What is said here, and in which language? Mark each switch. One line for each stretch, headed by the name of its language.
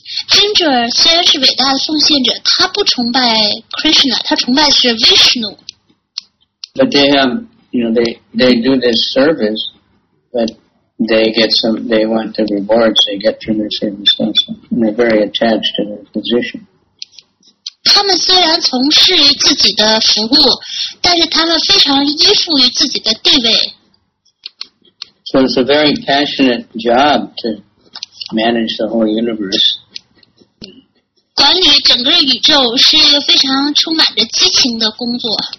Chinese: 真正虽然是伟大的奉献者，他不崇拜 Krishna， 他崇拜是 Vishnu。
English: But they have, you know, they do this service, but they get some, they want the rewards they get from their service, and they're very attached to their position.
Chinese: 他们虽然从事于自己的服务，但是他们非常依附于自己的地位。
English: So it's a very passionate job to manage the whole universe.
Chinese: 管理整个宇宙是一个非常充满着激情的工作。